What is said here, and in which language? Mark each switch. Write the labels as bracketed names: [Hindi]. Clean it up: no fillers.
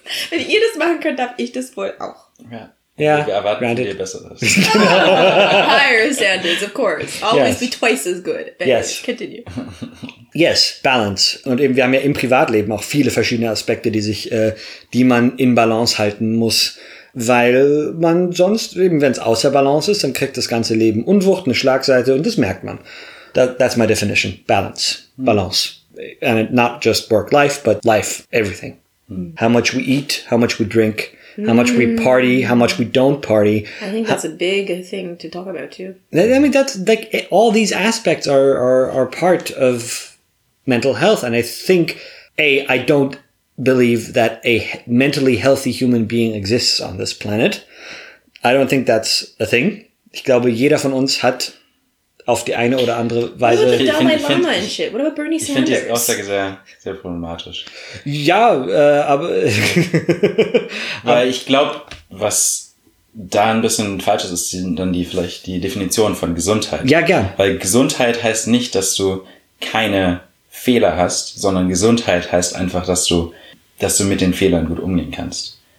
[German] Wenn ihr das machen könnt, darf ich das wohl auch. Ja, wir erwarten [English] granted. [German] Von dir Besseres. [English] Higher standards, of course. Always yes. be twice as good. Yes. Continue. Yes, balance. [German] Und eben, wir haben ja im Privatleben auch viele verschiedene Aspekte, die man in Balance halten muss. Weil man sonst, eben wenn es außer Balance ist, dann kriegt das ganze Leben Unwucht, eine Schlagseite und das merkt man. [English] That's my definition. Balance. Balance. And not just work-life, but life, everything. How much we eat, how much we drink, how much we party, how much we don't party. I think that's a big thing to talk about too. I mean, that's like all these aspects are part of mental health. And I think, I don't believe that a mentally healthy human being exists on this planet. I don't think that's a thing. [German] Ich glaube, jeder von uns hat auf die eine oder andere Weise... [English] What about Dalai Lama and shit? What about Bernie Sanders? [German] Ich finde die Aussage sehr, sehr problematisch. Ja, aber... Weil ich glaube, was da ein bisschen falsch ist, sind dann vielleicht die Definition von Gesundheit. Ja, gern. Weil Gesundheit heißt nicht, dass du keine Fehler hast, sondern Gesundheit heißt einfach, dass du mit den Fehlern gut umgehen kannst.